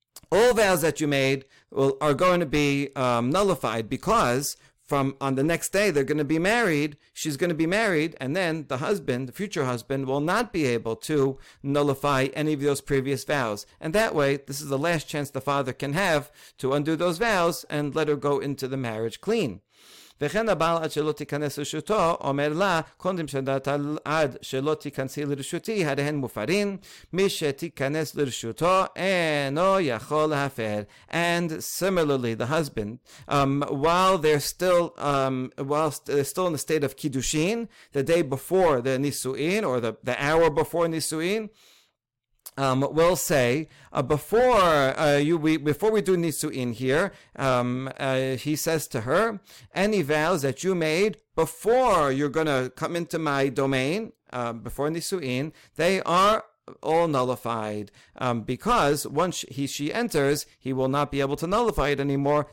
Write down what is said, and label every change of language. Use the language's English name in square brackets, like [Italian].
[English] all vows that you made are going to be nullified, because from on the next day they're going to be married, she's going to be married, and then the husband, the future husband, will not be able to nullify any of those previous vows. And that way, this is the last chance the father can have to undo those vows and let her go into the marriage clean. [Hebrew] וכן הבעל עד שלא תיכנס לרשותו אומר לה קודם שדעת עד שלא תיכנסי לרשותי הריהן מופרים מי שתיכנס לרשותו אינו יכול להפר. [English] And similarly, the husband, while they're still in the state of kiddushin, the day before the nisuin, or the hour before nisuin, will say, before we do nisuin here, he says to her, any vows that you made before you're going to come into my domain, before nisuin, they are all nullified, because once she enters, he will not be able to nullify it anymore.